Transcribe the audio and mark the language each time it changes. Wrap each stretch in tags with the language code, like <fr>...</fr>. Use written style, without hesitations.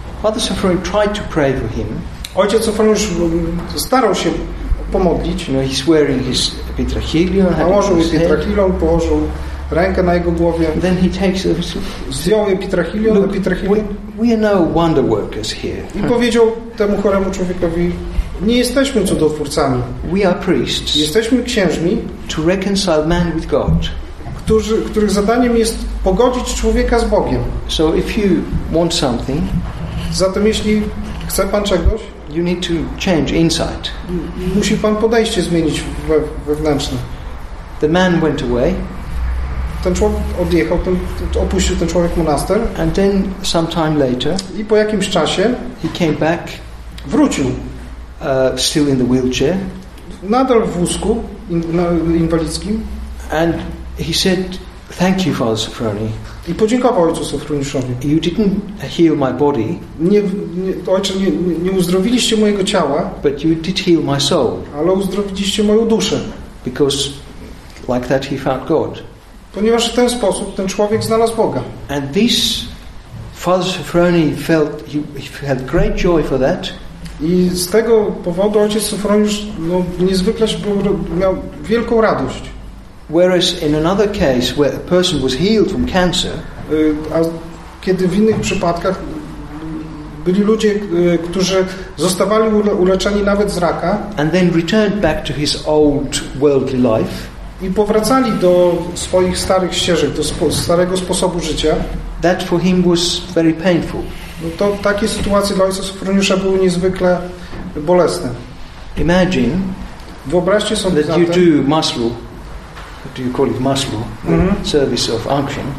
<en>Father Sofroni tried to pray for him.</en> <pl>Ojciec Sofroni już starał się pomodlić.</pl> <en>You know, he's wearing his epitrachilion.</en> <pl>Położył epitrachilion, położył rękę na jego głowie.</pl> <en>Then he takes</en> <pl>zdjął epitrachilion.</pl> <en>We are no wonder workers here.</en> <pl>I powiedział temu choremu człowiekowi: nie jesteśmy cudotwórcami.</pl> <en>We are priests.</en> <pl>Jesteśmy księżmi.</pl> <en>To reconcile man with God.</en> <pl>Których zadaniem jest pogodzić człowieka z Bogiem.</pl> <en>So if you want something,</en> <pl>zatem jeśli chce pan czegoś,</pl> <en>you need to change inside.</en> <pl>Musi pan podejście zmienić wewnętrzne.</pl> <en>The man went away.</en> <pl>Ten człowiek odjechał, opuścił ten człowiek monaster.</pl> <en>And then some time later,</en> <pl>i po jakimś czasie,</pl> <en>he came back.</en> <pl>Wrócił.</pl> <en>Still in the wheelchair.</en> <pl>Nadal w wózku inwalidzkim.</pl> <en>And he said, thank you, Father Sofroni.</en> <pl>I podziękował ojcu Sofroniuszowi.</pl> <en>You didn't heal my body.</en> <pl>Ojcze, nie uzdrowiliście mojego ciała.</pl> <en>But you did heal my soul.</en> <pl>Ale uzdrowiliście moją duszę.</pl> <en>Because like that he found God.</en> <pl>Ponieważ w ten sposób ten człowiek znalazł Boga.</pl> <en>And this Father Sofroni felt he had great joy for that.</en> <pl>I z tego powodu ojciec Sofroniusz, no, niezwykle miał wielką radość.</pl> <en>Whereas in another case where a person was healed from cancer,</en> <pl>a kiedy w innych przypadkach byli ludzie, którzy zostawali uleczeni nawet z raka,</pl> <en>and then returned back to his old worldly life,</en> <pl>i powracali do swoich starych ścieżek, do starego sposobu życia,</pl> <en>that for him was very painful.</en> <pl>No to takie sytuacje dla ojca Sofroniusza były niezwykle bolesne.</pl> <en>Imagine,</en> <pl>wyobraźcie sobie,</pl> <en>that you do maslu, what do you call it, maslu, service of unction,</en>